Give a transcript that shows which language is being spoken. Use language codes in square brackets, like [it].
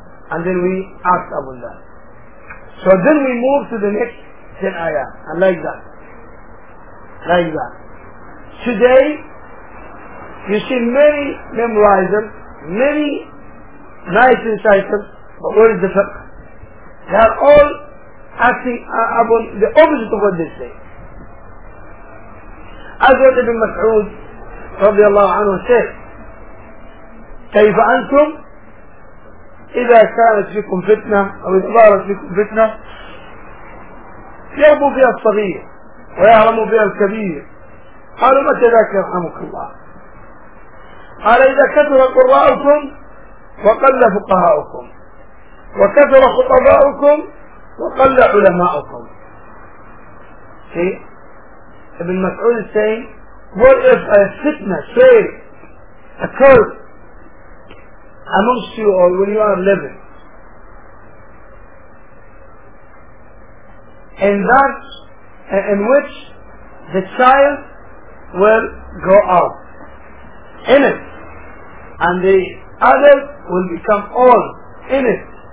[en] And then we ask about that. So then we move to the next 10 ayat. And like that. Like that. Today, you see many memorizers, many nice insiders, but where is the fiqh? They are all acting upon the opposite of what they say. As what Ibn Mas'ud [ar] رضي الله عنه said, كيف أنتم إذا كانت فيكم فتنة أو إظهرت فيكم فتنة يهموا فيها الصغير ويهرموا فيها الكبير. قالوا متى ذاك يرحمك الله؟ قال إذا كثر قراءكم وقل فقهاؤكم وكثر خطباؤكم وقل علماؤكم. [en] See, Ibn Mas'ud is saying, what if a fitna, say, occurred amongst you all when you are living? And that in which the child will go out in it, and the adult will become old in it.